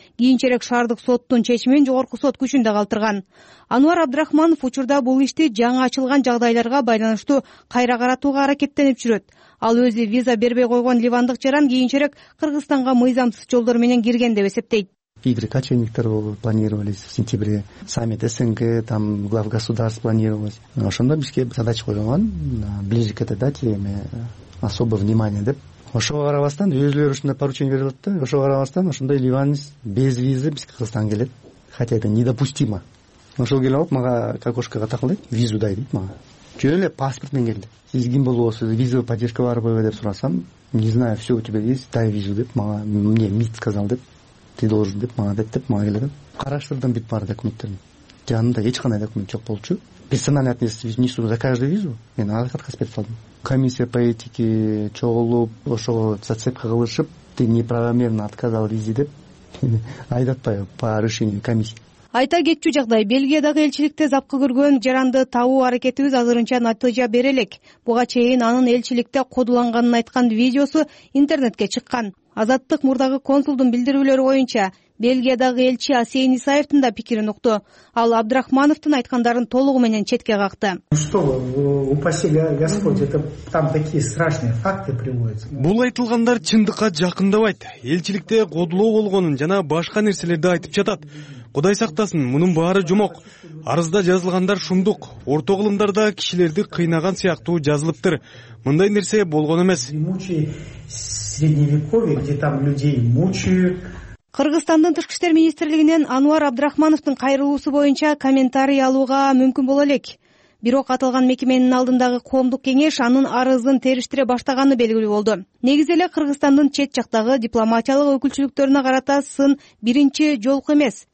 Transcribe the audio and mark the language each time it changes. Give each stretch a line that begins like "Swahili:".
Kyrgyz: Кийинчерээк шаардык соттун чечимин жогорку сот күчүндө калтырган. Ануар Абдрахманов учурда бул ишти жаңы ачылган жагдайларга байланыштуу кайра каратууга аракеттенип жүрөт. Ал өзү виза бербей койгон ливандык жаран кийинчерээк Кыргызстанга мыйзамсыз жолдор менен кирген деп эсептейт.
Russian: Кийбир кочевниктер планировались в сентябре, саммит СНГ, там глав государств планировалось.
Kyrgyz: Ошондо бизге задача коюлган,
Russian: ближе к этой дате
Kyrgyz: эме
Russian: особо внимание
Kyrgyz: деп. Ошого карабастан өзүлөрү ушундай поручение берилет да, ошого карабастан ошондой ливанец
Russian: без визы
Kyrgyz: бизге Кыргызстанга келет.
Russian: Хотя это недопустимо.
Kyrgyz: Ошол келип алып мага кокошкага такылдыйт,
Russian: визу дай
Kyrgyz: дейт мага. Жөн эле паспорт менен келди. Сиз ким болосуз,
Russian: визовый поддержка
Kyrgyz: барбы деп сурасам,
Russian: не знаю, все у тебя есть, дай визу
Kyrgyz: деп мага
Russian: мне МИД сказал
Kyrgyz: деп.
Russian: Ты должен
Kyrgyz: деп мага деп мага келген. Караштырдым бүт бар документтерин. Жанында эч кандай документ жок болчу.
Russian: Персональный ответственность несу за каждую визу.
Kyrgyz: Мен аткарып берип салдым.
Russian: Комиссия по этике
Kyrgyz: чогулуп, ошого зацепка кылышып,
Russian: ты неправомерно отказал визе
Kyrgyz: деп айдатпайбы
Russian: по решению комиссии.
Kyrgyz: Айта кетчү жагдай, Бельгиядагы элчиликте запкы көргөн жаранды табуу аракетибиз азырынча натыйжа бере элек. Буга чейин анын элчиликте кодулганын айткан видеосу интернетке чыккан. Азаттык мурдагы консулдун билдирүүлөрү боюнча Бельгиядагы элчи Асейн Исаевдин да пикирин укту. Ал Абдрахмановдун айткандарын толугу менен четке какты.
Russian: Что, упаси Господь, это там такие страшные факты приводятся.
Kyrgyz: Бул айтылгандар чындыкка жакындабайт. Элчиликте кодулоо болгонун жана башка нерселерди айтып жатат. Кудай сактасын, мунун баары жумок. Арызда жазылгандар шумдук. Орто кылымдарда кишилерди кыйнаган сыяктуу жазылыптыр. Мындай нерсе болгон эмес.
Russian: Средневековье, где там людей мучают.
Kyrgyz: Кыргызстандын тышкы иштер министрлигинен Ануар Абдрахмановдун кайрылуусу боюнча комментарий алууга мүмкүн боло элек. Бирок аталган мекеменин алдындагы коомдук кеңеш анын арызын териштире баштаганы белгилүү болду. Негизи эле Кыргызстандын чет жактагы дипломатиялык өкүлчүлүктөрүнө карата сын биринчи жолку эмес.